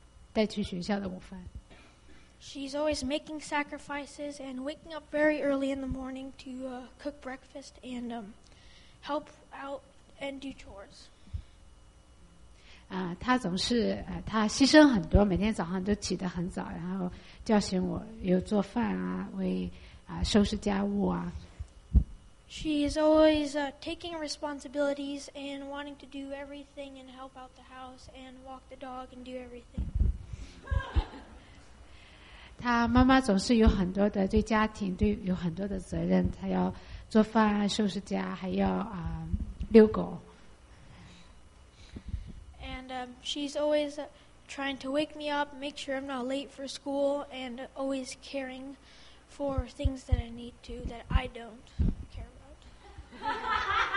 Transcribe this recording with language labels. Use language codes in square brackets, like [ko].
[zh] 她总是提醒我要多穿衣服，不要生病，受凉生病，然后她总是帮我准备好午饭，带去学校的午饭。 [en] She's always making sacrifices and waking up very early in the morning to cook breakfast and help out and do chores. [zh] 她总是牺牲很多，每天早上都起得很早，然后叫醒我，有做饭啊，为收拾家务啊。 [en] She is always taking responsibilities and wanting to do everything and help out the house and walk the dog and do everything. [zh] 她妈妈总是有很多的对家庭，对有很多的责任，她要做饭啊，收拾家，还要遛狗。 [en] She's always trying to wake me up, make sure I'm not late for school, and always caring for things that I need to that I don't care about.